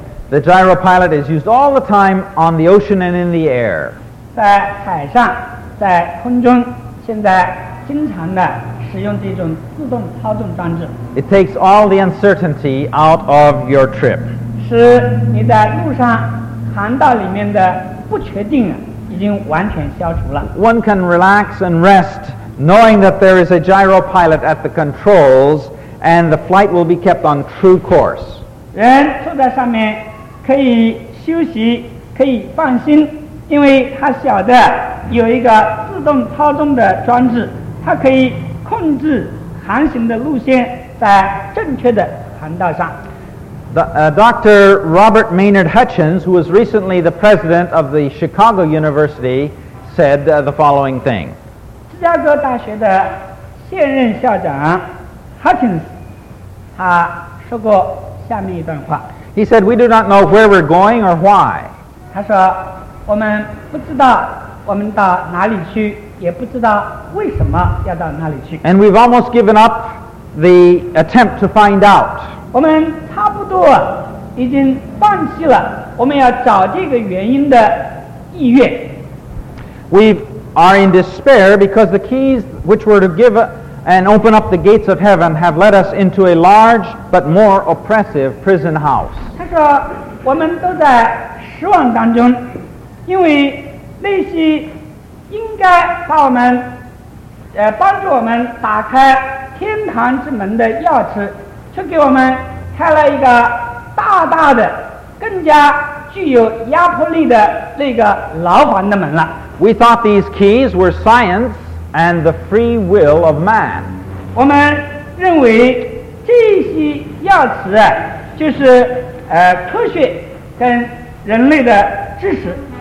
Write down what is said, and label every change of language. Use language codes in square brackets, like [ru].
[en] The gyropilot is used all the time on the ocean and in the air. [zh] 在海上在空中现在经常的使用这种自动操纵装置。 [en] It takes all the uncertainty out of your trip. [zh] 使你在路上航道里面的不确定已经完全消除了。 [en] One can relax and rest knowing that there is a gyropilot at the controls and the flight will be kept on true course. [zh] 人坐在上面可以休息，可以放心，因为他晓得有一个自动操纵的装置，他可以控制航行的路线在正确的航道上。 [en] Dr. Robert Maynard Hutchins, who was recently the president of the Chicago University, said the following thing. [zh] 芝加哥大学的现任校长 Hutchins, 他说过下面一段话。 [en] He said, we do not know where we're going or why. [zh] 他说，我们不知道我们到哪里去，也不知道为什么要到哪里去。 [en] And we've almost given up the attempt to find out. [zh] 我们差不多已经放弃了我们要找这个原因的意愿。 [en] We are in despair because the keys which were to give and open up the gates of heaven have led us into a large but more oppressive prison house. [zh] 他说我们都在失望当中，因为那些应该把我们帮助我们打开天堂之门的钥匙却给我们开了一个大大的、更加具有压迫力的那个牢房的门了。 [en] We thought these keys were science and the free will of man. [zh] 我们认为这些药词啊，就是科学跟人类的知识。